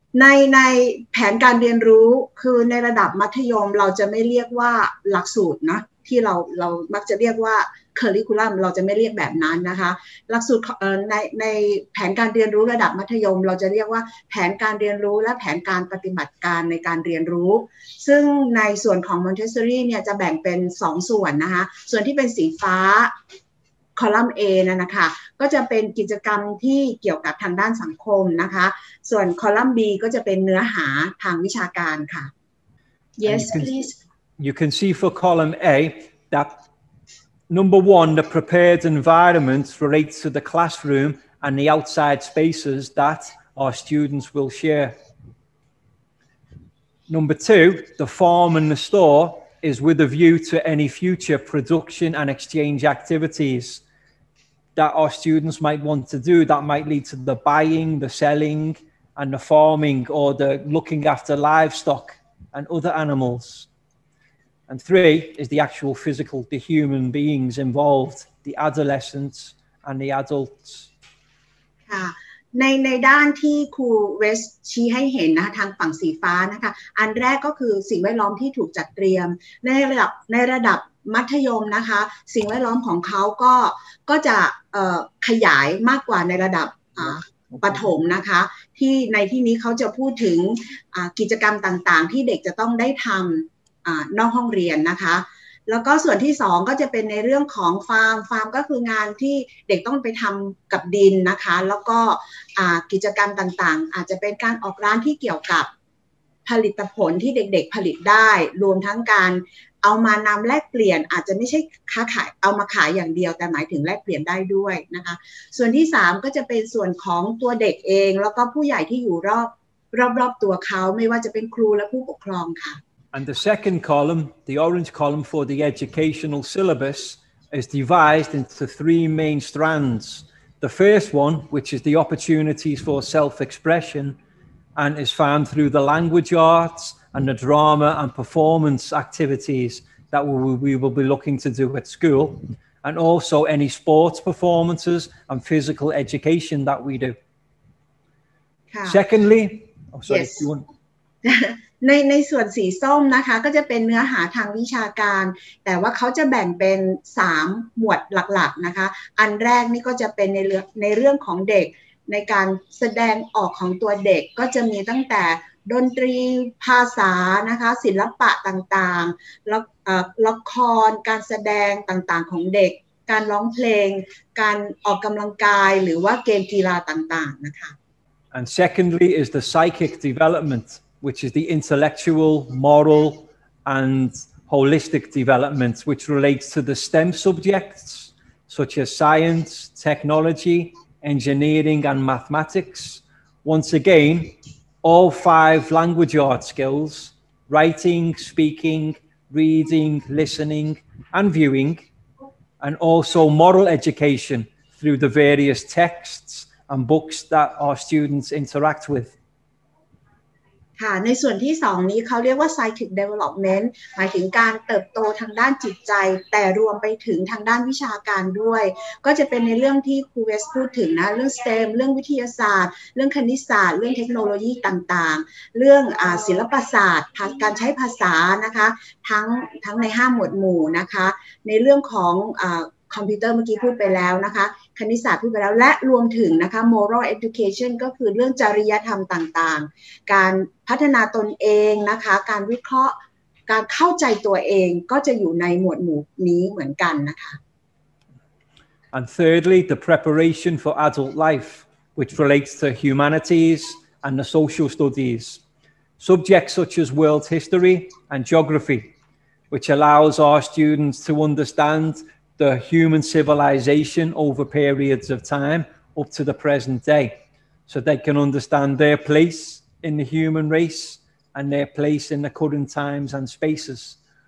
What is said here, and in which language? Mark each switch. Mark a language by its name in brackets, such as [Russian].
[Thai] ในแผนการเรียนรู้คือในระดับมัธยมเราจะไม่เรียกว่าหลักสูตรนะที่เรามักจะเรียกว่าคริคูลัมเราจะไม่เรียกแบบนั้นนะคะหลักสูตรในแผนการเรียนรู้ระดับมัธยมเราจะเรียกว่าแผนการเรียนรู้และแผนการปฏิบัติการในการเรียนรู้ซึ่งในส่วนของมอนเตสซอรี่เนี่ยจะแบ่งเป็น2ส่วนนะคะส่วนที่เป็นสีฟ้า คอลัมน์ A นะนะคะก็จะเป็นกิจกรรมที่เกี่ยวกับทางด้านสังคมนะคะส่วนคอลัมน์ B ก็จะเป็นเนื้อหาทางวิชาการค่ะ [English] Yes please You can see for column A thatNumber one, the prepared environment relates to the classroom and the outside spaces that our students will share. Number two, the farm and the store is with a view to any future production and exchange activities that our students might want to do that might lead to the buying, the selling, and the farming or the looking after livestock and other animals. And three is the actual physical, the human beings involved, the adolescents and the adults. [Thai] ในด้านที่ครูเวสชี้ให้เห็นนะทางฝั่งสีฟ้านะคะอันแรกก็คือสิ่งแวดล้อมที่ถูกจัดเตรียมในระดับมัธยมนะคะสิ่งแวดล้อมของเขาก็จะขยายมากกว่าในระดับ ประถมนะคะที่ในที่นี้เขาจะพูดถึงกิจกรรมต่างๆที่เด็กจะต้องได้ทำนอกห้องเรียนนะคะแล้วก็ส่วนที่สองก็จะเป็นในเรื่องของฟาร์มก็คืองานที่เด็กต้องไปทำกับดินนะคะแล้วก็ กิจกรรมต่างๆอาจจะเป็นการออกร้านที่เกี่ยวกับผลิตผลที่เด็กๆผลิตได้รวมทั้งการเอามานำแลกเปลี่ยนอาจจะไม่ใช่ค้าขายเอามาขายอย่างเดียวแต่หมายถึงแลกเปลี่ยนได้ด้วยนะคะส่วนที่สามก็จะเป็นส่วนของตัวเด็กเองแล้วก็ผู้ใหญ่ที่อยู่รอบตัวเขาไม่ว่าจะเป็นครูและผู้ปกครองค่ะ [English] And the second column, the orange column for the educational syllabus, is devised into three main strands. The first one, which is the opportunities for self-expression, and is found through the language arts and the drama and performance activities that we will be looking to do at school, and also any sports performances and physical education that we do. Secondly, oh, sorry, yes. [Thai] ในส่วนสีส้มนะคะก็จะเป็นเนื้อหาทางวิชาการแต่ว่าเขาจะแบ่งเป็น3หมวดหลักๆนะคะอันแรกนี่ก็จะเป็นในเรื่องของเด็กในการแสดงออกของตัวเด็กก็จะมีตั้งแต่ดนตรีภาษานะคะศิลปะต่างๆละครการแสดงต่างๆของเด็กการร้องเพลงการออกกำลังกายหรือว่าเกมกีฬาต่างๆนะคะ [English] And secondly is the psychic developmentwhich is the intellectual, moral, and holistic development, which relates to the STEM subjects, such as science, technology, engineering, and mathematics. Once again, all five language art skills, writing, speaking, reading, listening, and viewing, and also moral education through the various texts and books that our students interact with. [Thai] ค่ะในส่วนที่2นี้เขาเรียกว่า psychic development หมายถึงการเติบโตทางด้านจิตใจแต่รวมไปถึงทางด้านวิชาการด้วยก็จะเป็นในเรื่องที่ครูเวสพูดถึงนะเรื่อง STEM เรื่องวิทยาศาสตร์เรื่องคณิตศาสตร์เรื่องเทคโนโลยีต่างๆเรื่องศิลปศาสตร์การใช้ภาษานะคะทั้งใน5หมวดหมู่นะคะในเรื่องของ คอมพิวเตอร์เมื่อกี้พูดไปแล้วนะคะคณิตศาสตร์พูดไปแล้วและรวมถึงนะคะ moral education ก็คือเรื่องจริยธรรมต่างๆการพัฒนาตนเองนะคะการวิเคราะห์การเข้าใจตัวเองก็จะอยู่ในหมวดหมู่นี้เหมือนกันนะคะ [English] And thirdly the preparation for adult life which relates to humanities and the social studies subjects such as world history and geographywhich allows our students to understand the human civilization over periods of time up to the present day, so they can understand their place in the human race and their place in the current times and spaces.